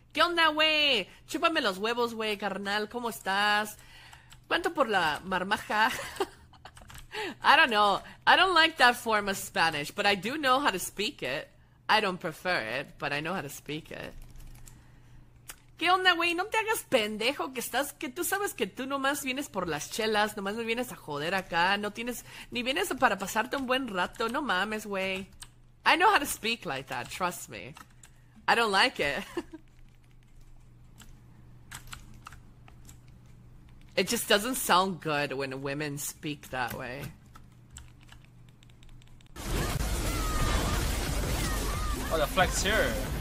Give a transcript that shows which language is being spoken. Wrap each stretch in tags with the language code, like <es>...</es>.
<es>¿Qué onda, güey? Chúpame los huevos, güey, carnal. ¿Cómo estás? ¿Cuánto por la marmaja?</es> <en>I don't know. I don't like that form of Spanish, but I do know how to speak it. I don't prefer it, but I know how to speak it.</en> <es>¿Qué onda, güey? No te hagas pendejo que estás... Que tú sabes que tú nomás vienes por las chelas, nomás no vienes a joder acá, no tienes... Ni vienes para pasarte un buen rato, no mames, güey.</es> <en>I know how to speak like that, trust me. I don't like it. It just doesn't sound good when women speak that way. Oh, the flex here.</en>